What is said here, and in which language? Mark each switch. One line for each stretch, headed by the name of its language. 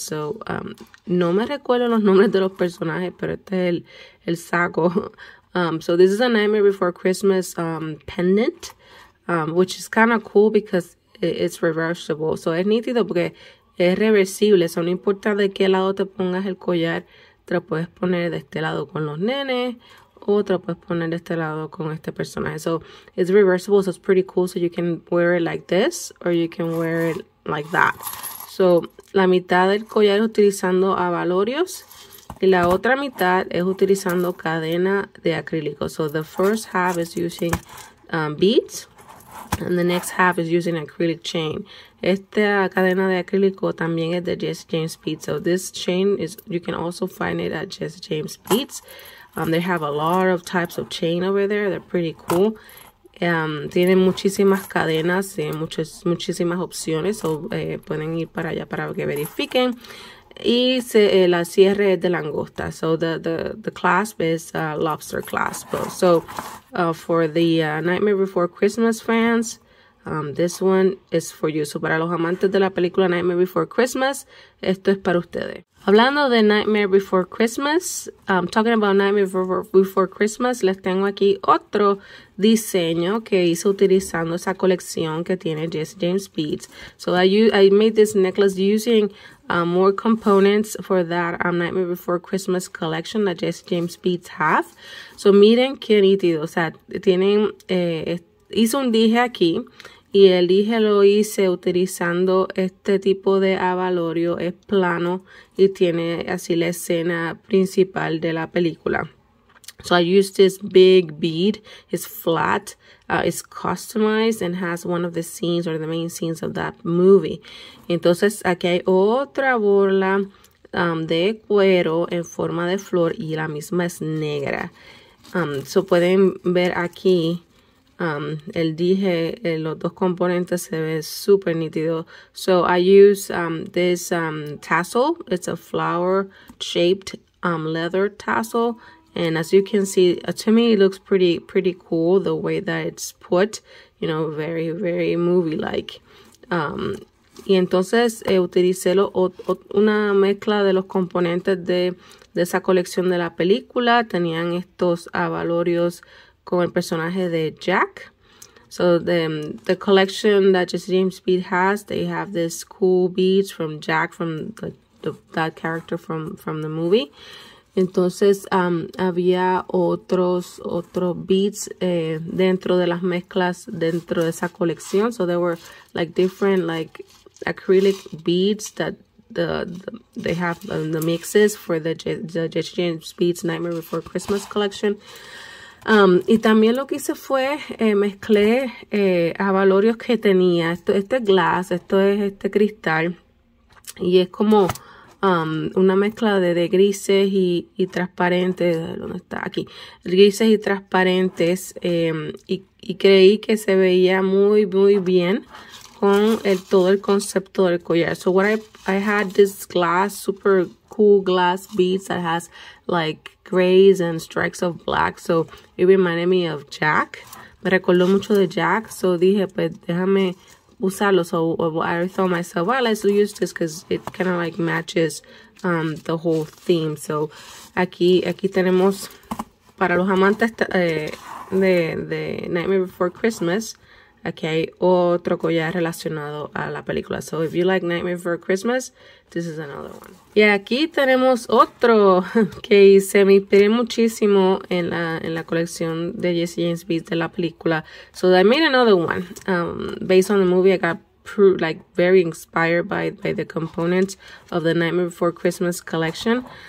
Spanish: So, no me recuerdo los nombres de los personajes, pero este es el saco.
English: So, this is a Nightmare Before Christmas pendant, which is kind of cool because it's reversible.
Spanish: So, es nítido porque es reversible. So, no importa de qué lado te pongas el collar, te lo puedes poner de este lado con los nenes, otro puedes poner de este lado con este personaje.
English: So it's reversible, so it's pretty cool. So you can wear it like this or you can wear it like that.
Spanish: So la mitad del collar es utilizando abalorios y la otra mitad es utilizando cadena de acrílico.
English: So the first half is using beads and the next half is using acrylic chain.
Spanish: Esta cadena de acrílico también es de Jesse James Beats.
English: So this chain is, you can also find it at Jesse James Beats. They have a lot of types of chain over there. They're pretty cool.
Spanish: Tienen muchísimas cadenas, tienen muchísimas opciones. So, pueden ir para allá para que verifiquen. Y la cierre es de langosta.
English: So the clasp is a lobster clasp. So for the Nightmare Before Christmas fans, this one is for you.
Spanish: So para los amantes de la película Nightmare Before Christmas, esto es para ustedes. Hablando de Nightmare Before Christmas,
English: talking about Nightmare Before Christmas,
Spanish: les tengo aquí otro diseño que hice utilizando esa colección que tiene Jesse James Beats.
English: So I made this necklace using more components for that Nightmare Before Christmas collection that Jesse James Beats have.
Spanish: So miren qué nítido, o sea, tienen, hice un dije aquí. Y el dije lo hice utilizando este tipo de abalorio, es plano y tiene así la escena principal de la película.
English: So I used this big bead, it's flat, it's customized and has one of the scenes or the main scenes of that movie.
Spanish: Entonces aquí hay otra borla de cuero en forma de flor y la misma es negra. So pueden ver aquí. El dije, los dos componentes se ve super nítido.
English: So I use this tassel. It's a flower-shaped leather tassel, and as you can see, to me, it looks pretty cool the way that it's put. You know, very very movie-like.
Spanish: Y entonces utilicé una mezcla de los componentes de esa colección de la película. Tenían estos abalorios con el personaje de Jack.
English: So the collection that Jesse James Beats has, they have this cool beads from Jack, from that character from the movie.
Spanish: Entonces había otros beads dentro de las mezclas dentro de esa colección.
English: So there were like different like acrylic beads that they have the mixes for the Jesse James Beats Nightmare Before Christmas collection.
Spanish: Y también lo que hice fue mezclé abalorios que tenía. Este es glass, esto es este cristal. Y es como una mezcla de grises y transparentes. ¿Dónde está? Aquí. Grises y transparentes. Y creí que se veía muy, muy bien con todo el concepto del collar.
English: So what I had this glass, super cool glass beads that has like grays and stripes of black. So it reminded me of Jack.
Spanish: Me recordó mucho de Jack. So dije, pues déjame usarlo.
English: So I thought myself, well, let's use this because it kind of like matches the whole theme.
Spanish: So aquí tenemos para los amantes de Nightmare Before Christmas. Aquí hay otro collar relacionado a la película.
English: So if you like Nightmare Before Christmas, this is another one.
Spanish: Y aquí tenemos otro que se me inspiré muchísimo en la colección de Jesse James Beast de la película.
English: So I made another one. Based on the movie, I got very inspired by the components of the Nightmare Before Christmas collection.